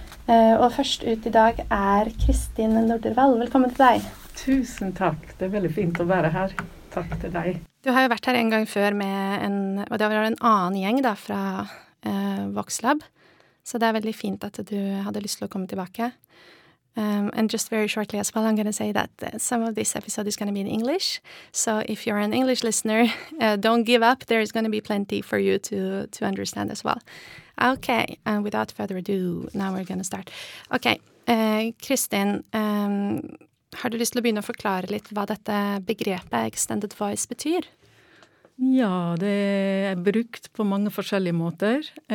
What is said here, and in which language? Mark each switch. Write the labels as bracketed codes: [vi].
[no] Og først ut i dag Kristin Nordervall. Velkommen til deg. Tusen takk. Det veldig fint å være her. Takk til deg. Du har jo vært her en gang før med en annen gjeng da, fra Voxlab. Så det veldig fint at du hadde lyst til å komme tilbake. [en] And just very shortly as well, I'm going to say that some of this episode is going to be in English. So if you're an English listener, don't give up. There is going to be plenty for you to understand as well. Okay, and without further ado, now we're going to start. [no] Okay, Kristin, har du lyst til å begynne å forklare litt hva dette begrepet Extended Voice betyr? Ja, det brukt på mange forskjellige måter.